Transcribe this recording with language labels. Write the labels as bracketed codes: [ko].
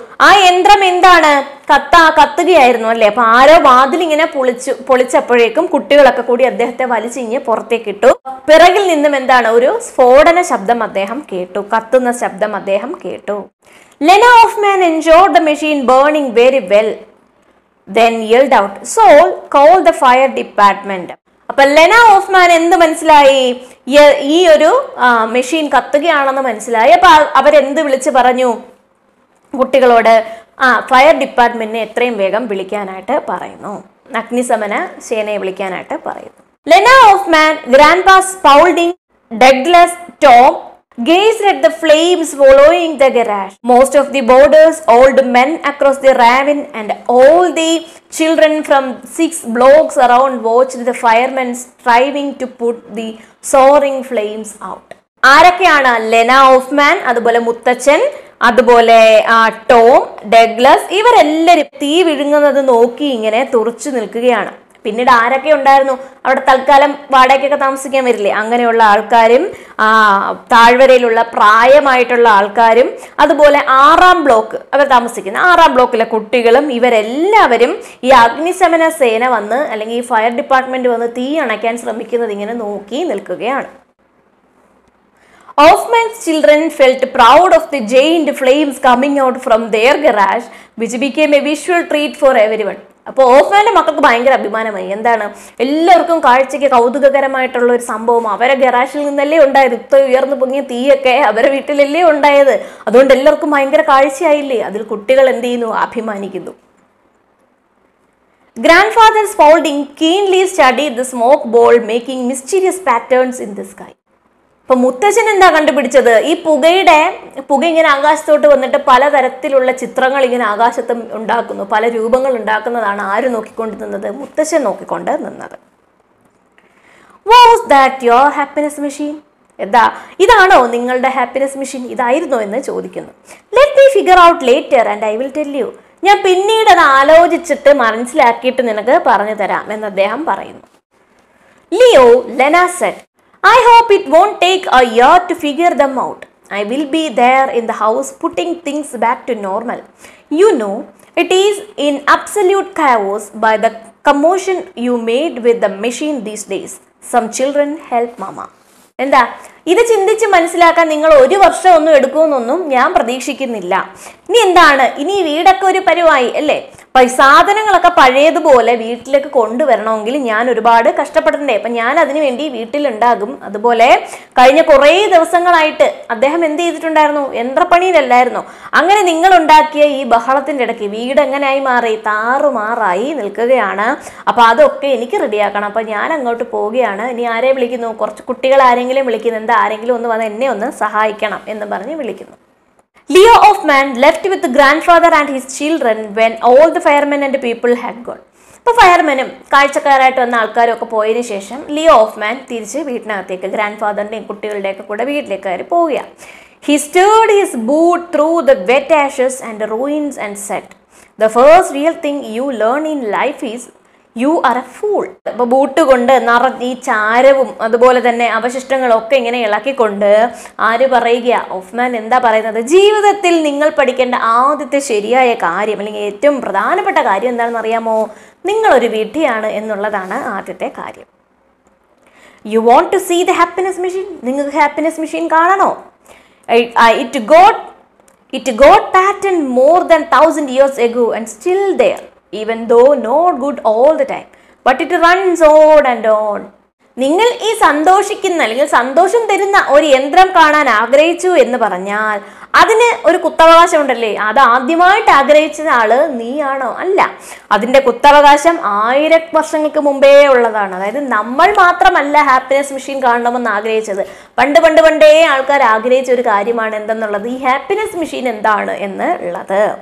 [ml] ആ യന്ത്രം എന്താണ് കത്തുകയായിരുന്നു, അല്ലേ? അപ്പൊ ആരോ വാതിലിങ്ങനെ പൊളിച്ചപ്പോഴേക്കും കുട്ടികളൊക്കെ കൂടി അദ്ദേഹത്തെ വലിച്ചിഞ്ഞ് പുറത്തേക്കിട്ടു. പിറകിൽ നിന്നും എന്താണ് ഒരു സ്ഫോടന ശബ്ദം അദ്ദേഹം കേട്ടു, കത്തുന്ന ശബ്ദം അദ്ദേഹം കേട്ടു. Lena Hoffman [en] Enjoyed the machine burning very well. then yelled out, Sol, call the fire department. [ml] അപ്പോൾ ലെന ഹോഫ്മാൻ എന്ത് മനസ്സിലായി, ഈ ഒരു മെഷീൻ കത്തുകയാണെന്ന് മനസ്സിലായി. അപ്പോൾ അവരെന്ത് വിളിച്ച് പറഞ്ഞു കുട്ടികളോട്, ഫയർ ഡിപ്പാർട്ട്മെന്റിനെ എത്രയും വേഗം വിളിക്കാനായിട്ട് പറയുന്നു, അഗ്നിശമന സേനയെ വിളിക്കാനായിട്ട് പറയുന്നു. [en] Lena Hoffman, grandpa Spaulding, Douglas, Tom gazed at the flames following the garage. Most of the boarders, old men across the ravine, and all the children from six blocks around watched the firemen striving to put the soaring flames out. [ml] ആരൊക്കെയാണ്? Lena Hoffman, അതുപോലെ മുത്തച്ഛൻ, അതുപോലെ Tom, Douglas, ഇവരെല്ലാവരും തീ വിഴുങ്ങുന്നത് നോക്കി ഇങ്ങനെ തുറച്ചു നിൽക്കുകയാണ്. പിന്നീട് ആരൊക്കെ ഉണ്ടായിരുന്നു അവിടെ? തൽക്കാലം വാടകയ്ക്കൊക്കെ താമസിക്കാൻ വരില്ലേ, അങ്ങനെയുള്ള ആൾക്കാരും താഴ്വരയിലുള്ള പ്രായമായിട്ടുള്ള ആൾക്കാരും, അതുപോലെ ആറാം ബ്ലോക്ക് അവർ താമസിക്കുന്ന ആറാം ബ്ലോക്കിലെ കുട്ടികളും, ഇവരെല്ലാവരും ഈ അഗ്നിശമന സേന വന്ന് അല്ലെങ്കിൽ ഈ ഫയർ ഡിപ്പാർട്ട്മെന്റ് വന്ന് തീ അണയ്ക്കാൻ ശ്രമിക്കുന്നത് ഇങ്ങനെ നോക്കി നിൽക്കുകയാണ്. [en] Hoffman's children felt proud of the giant flames coming out from their garage, which became a visual treat for everyone. [ml] അപ്പോൾ ഹോഫ്മാൻ്റെ മക്കൾക്ക് ഭയങ്കര അഭിമാനമായി. എന്താണ്, എല്ലാവർക്കും കാഴ്ചയ്ക്ക് കൗതുകകരമായിട്ടുള്ള ഒരു സംഭവം, അവരെ ഗറാഷിൽ നിന്നല്ലേ ഉണ്ടായത്, ഇത്രയും ഉയർന്നു പൊങ്ങിയ തീയൊക്കെ അവരെ വീട്ടിലല്ലേ ഉണ്ടായത്, അതുകൊണ്ട് എല്ലാവർക്കും ഭയങ്കര കാഴ്ചയായില്ലേ. അതിൽ കുട്ടികൾ എന്ത് ചെയ്യുന്നു, അഭിമാനിക്കുന്നു. [en] Grandfather Spaulding keenly studied the smoke ball making mysterious patterns in the sky. [ml] അപ്പോൾ മുത്തച്ഛൻ എന്താ കണ്ടുപിടിച്ചത്, ഈ പുക ഇങ്ങനെ ആകാശത്തോട്ട് വന്നിട്ട് പലതരത്തിലുള്ള ചിത്രങ്ങൾ ഇങ്ങനെ ആകാശത്ത് ഉണ്ടാക്കുന്നു, പല രൂപങ്ങൾ ഉണ്ടാക്കുന്നതാണ് ആര് നോക്കിക്കൊണ്ട് നിന്നത്, മുത്തച്ഛൻ നോക്കിക്കൊണ്ട് നിന്നത്. [en] was that your happiness machine, [ml] എന്താ ഇതാണോ നിങ്ങളുടെ ഹാപ്പിനെസ് മെഷീൻ, ഇതായിരുന്നോ എന്ന് ചോദിക്കുന്നു. [en] let me figure out later and I will tell you, [ml] ഞാൻ പിന്നീട് അത് ആലോചിച്ചിട്ട് മനസ്സിലാക്കിയിട്ട് നിനക്ക് പറഞ്ഞു തരാം എന്ന് അദ്ദേഹം പറയുന്നു. [en] Leo Lena said, I hope it won't take a year to figure them out. I will be there in the house putting things back to normal. You know, it is in absolute chaos by the commotion you made with the machine these days. Some children help mama. [ml] എന്താ ഇത് ചിന്തിച്ച് മനസ്സിലാക്കാൻ നിങ്ങൾ ഒരു വർഷമൊന്നും എടുക്കുമെന്നൊന്നും ഞാൻ പ്രതീക്ഷിക്കുന്നില്ല. ഇനി എന്താണ്, ഇനി വീടൊക്കെ ഒരു പരിവായി അല്ലേ, സാധനങ്ങളൊക്കെ പഴയതുപോലെ വീട്ടിലേക്ക് കൊണ്ടുവരണമെങ്കിൽ ഞാൻ ഒരുപാട് കഷ്ടപ്പെടണ്ടേ, അപ്പം ഞാൻ അതിനുവേണ്ടി വീട്ടിലുണ്ടാകും. അതുപോലെ കഴിഞ്ഞ കുറേ ദിവസങ്ങളായിട്ട് അദ്ദേഹം എന്ത് ചെയ്തിട്ടുണ്ടായിരുന്നു, യന്ത്രപ്പണിയിലല്ലായിരുന്നു. അങ്ങനെ നിങ്ങൾ ഉണ്ടാക്കിയ ഈ ബഹളത്തിൻ്റെ ഇടയ്ക്ക് വീട് എങ്ങനെയായി മാറി, താറുമാറായി നിൽക്കുകയാണ്. അപ്പം അതൊക്കെ എനിക്ക് റെഡിയാക്കണം, അപ്പം ഞാൻ അങ്ങോട്ട് പോവുകയാണ്. ഇനി ആരെ വിളിക്കുന്നു, കുറച്ച് കുട്ടികൾ ആരെങ്കിലും വിളിക്കുന്നു, എന്താ ആരെങ്കിലും ഒന്ന് വന്ന് എന്നെ ഒന്ന് സഹായിക്കണം എന്ന് പറഞ്ഞ് വിളിക്കുന്നു. [en] Leo Hoffman left with the grandfather and his children when all the firemen and people had gone. [ml] അപ്പോൾ ഫയർമാനും കാഴ്ചക്കാരായിട്ട് വന്ന ആൾക്കാരൊക്കെ പോയതിന് ശേഷം ലിയോ ഹോഫ്മാൻ തിരിച്ച് വീട്ടിനകത്തേക്ക് ഗ്രാൻഡ് ഫാദറിൻ്റെയും കുട്ടികളുടെയൊക്കെ കൂടെ വീട്ടിലേക്ക് കയറി പോവുകയാണ്. [en] He stirred his boot through the wet ashes and ruins and said the first real thing you learn in life is you are a fool. [ml] അപ്പോൾ ബൂട്ട് കൊണ്ട് നിറ ഈ ചാരവും അതുപോലെ തന്നെ അവശിഷ്ടങ്ങളൊക്കെ ഇങ്ങനെ ഇളക്കിക്കൊണ്ട് ആര് പറയുക, ഹോഫ്മാൻ എന്താ പറയുന്നത്, ജീവിതത്തിൽ നിങ്ങൾ പഠിക്കേണ്ട ആദ്യത്തെ ശരിയായ കാര്യം അല്ലെങ്കിൽ ഏറ്റവും പ്രധാനപ്പെട്ട കാര്യം എന്താണെന്ന് അറിയാമോ, നിങ്ങളൊരു വിഡ്ഢിയാണ് എന്നുള്ളതാണ് ആദ്യത്തെ കാര്യം. [en] you want to see the happiness machine, [ml] നിങ്ങൾക്ക് ഹാപ്പിനെസ് മെഷീൻ കാണണോ? [en] It got pattern more than 1000 years ago and still there Even though not good all the time, but it runs on and on. [ml] നിങ്ങൾ ഈ സന്തോഷിക്കുന്ന അല്ലെങ്കിൽ സന്തോഷം തരുന്ന ഒരു യന്ത്രം കാണാൻ ആഗ്രഹിച്ചു എന്ന് പറഞ്ഞാൽ അതിന് ഒരു കുത്തവകാശമുണ്ടല്ലേ, അത് ആദ്യമായിട്ട് ആഗ്രഹിച്ച ആള് നീയാണോ? അല്ല, അതിൻ്റെ കുത്തവകാശം ആയിര വർഷങ്ങൾക്ക് മുമ്പേ ഉള്ളതാണ്. അതായത് നമ്മൾ മാത്രമല്ല ഹാപ്പിനെസ് മെഷീൻ കാണണമെന്ന് ആഗ്രഹിച്ചത്, പണ്ടേ ആൾക്കാർ ആഗ്രഹിച്ച ഒരു കാര്യമാണ് എന്തെന്നുള്ളത്, ഈ ഹാപ്പിനെസ് മെഷീൻ എന്താണ് എന്ന് ഉള്ളത്.